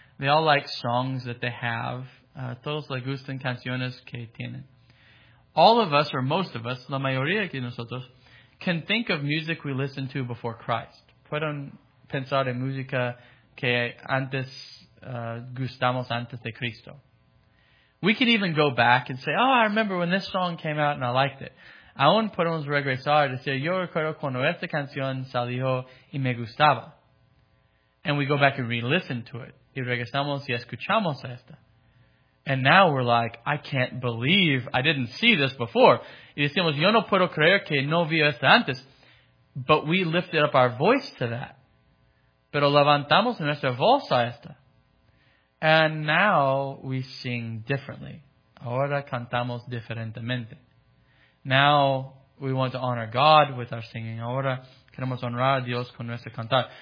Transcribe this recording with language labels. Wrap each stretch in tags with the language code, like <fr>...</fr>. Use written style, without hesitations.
<en>They all like songs that they have.</en> <es>Todos le gustan canciones que tienen.</es> <en>All of us, or most of us,</en> <es>la mayoría de nosotros,</es> <en>can think of music we listened to before Christ.</en> <es>Pueden pensar en música que antes gustamos antes de Cristo.</es> <en>We can even go back and say, oh, I remember when this song came out and I liked it.</en> <es>Aún podemos regresar y decir, yo recuerdo cuando esta canción salió y me gustaba.</es> <en>And we go back and re-listen to it.</en> <es>Y regresamos y escuchamos a esta.</es> <en>And now we're like, I can't believe I didn't see this before.</en> <es>Y decimos, yo no puedo creer que no vi esta antes.</es> <en>But we lifted up our voice to that.</en> <es>Pero levantamos nuestra voz a esta.</es> <en>And now we sing differently.</en> <es>Ahora cantamos diferentemente.</es> <en>Now we want to honor God with our singing.</en> <es>Ahora queremos honrar a Dios con nuestro cantar.</es>